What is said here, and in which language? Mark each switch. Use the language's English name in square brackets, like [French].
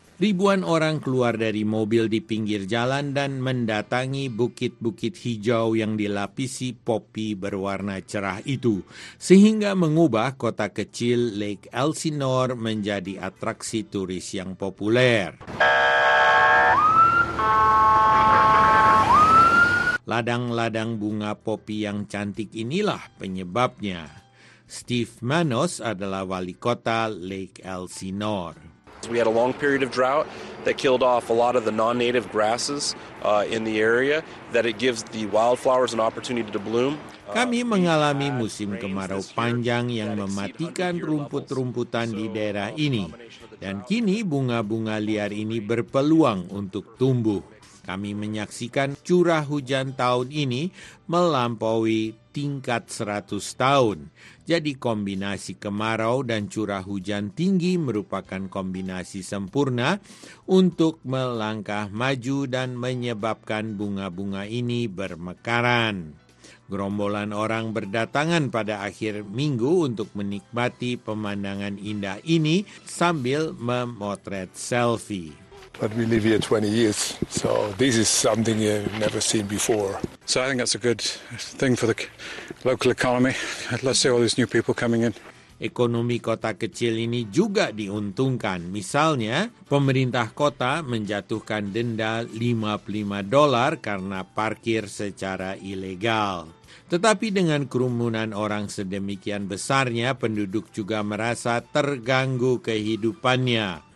[Indonesian] Ribuan orang keluar dari mobil di pinggir jalan dan mendatangi bukit-bukit hijau yang dilapisi popi berwarna cerah itu, sehingga mengubah kota kecil Lake Elsinore menjadi atraksi turis yang populer. Ladang-ladang bunga popi yang cantik inilah penyebabnya. Steve Manos adalah wali kota Lake Elsinore. [English] We had a long period of drought that killed off a lot of the non-native grasses in the area that it gives the wildflowers an opportunity to bloom. [Indonesian] Kami mengalami musim kemarau panjang yang mematikan rumput-rumputan di daerah ini. Dan kini bunga-bunga liar ini berpeluang untuk tumbuh. Kami menyaksikan curah hujan tahun ini melampaui tingkat 100 tahun. Jadi kombinasi kemarau dan curah hujan tinggi merupakan kombinasi sempurna untuk melangkah maju dan menyebabkan bunga-bunga ini bermekaran. Gerombolan orang berdatangan pada akhir minggu untuk menikmati pemandangan indah ini sambil memotret selfie. [English] But we live here 20 years, so this is something you've never seen before. So I think that's a good thing for the local economy. Let's say all these new people coming in. [Indonesian] Ekonomi kota kecil ini juga diuntungkan. Misalnya, pemerintah kota menjatuhkan denda $55 karena parkir secara ilegal. Tetapi dengan kerumunan orang sedemikian besarnya, penduduk juga merasa terganggu kehidupannya.